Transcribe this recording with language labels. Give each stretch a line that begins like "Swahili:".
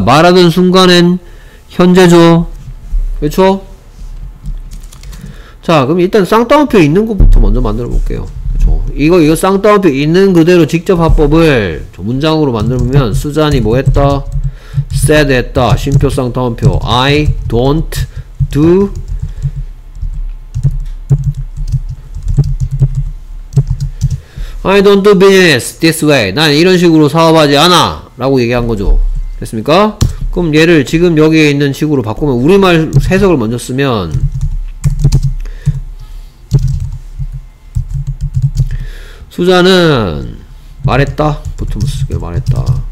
Korean: 말하던 순간엔 현재죠. 그렇죠? 자, 그럼 일단 쌍따옴표 있는 것부터 먼저 만들어 볼게요. 이거 쌍따옴표 있는 그대로 직접 화법을 문장으로 만들어 보면 수잔이 뭐 했다? said 했다. 쉼표 쌍따옴표
English: I don't do I don't do business this way.
Korean: 난 이런 식으로 사업하지 않아 라고 얘기한 거죠. 됐습니까? 그럼 얘를 지금 여기에 있는 식으로 바꾸면 우리말 해석을 먼저 쓰면 수자는 말했다 보통 쓰게 말했다.